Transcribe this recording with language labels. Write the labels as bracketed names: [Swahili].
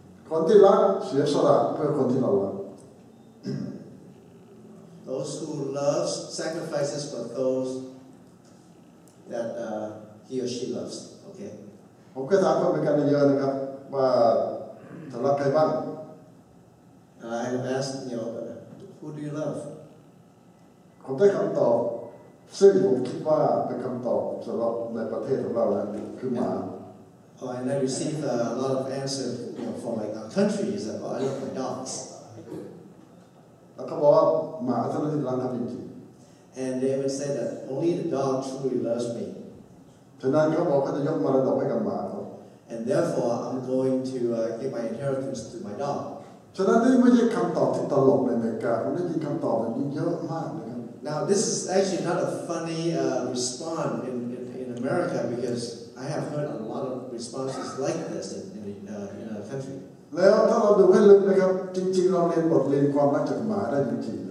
[Thai] คนที่รักเสียสละเพื่อคนที่เรารัก [English] Those who love sacrifices for those that he or she loves. Okay. [Thai] ผมก็ถามคนเป็นกันเยอะนะครับว่าจะรักใครบ้าง [English] I have asked you, who do you love? [Thai] คำได้คำตอบซึ่งผมคิดว่าเป็นคำตอบสำหรับในประเทศของเราแล้วคือหมา [English] Oh, and I received a lot of answers from like our countries about I love my dogs. [Thai] แล้วก็บอกว่าหมาเท่านั้นที่รักเราจริง [English] ๆ And they even said that only the dog truly loves me. [Thai] ฉะนั้นเขาบอกเขาจะยกมรดกให้กับหมาเขา [English] And therefore, I'm going to give my inheritance to my dog. [Thai] ฉะนั้นนี่ไม่ใช่คำตอบที่ตลกในอเมริกาผมได้ยินคำตอบแบบนี้เยอะมากนะครับ [English] Now this is actually not a funny response in America because I have heard a lot of responses like this in our country. [Thai] แล้วถ้าเราดูให้ลึกนะครับจริงๆเราเรียนบทเรียนความรักจากหมาได้จริง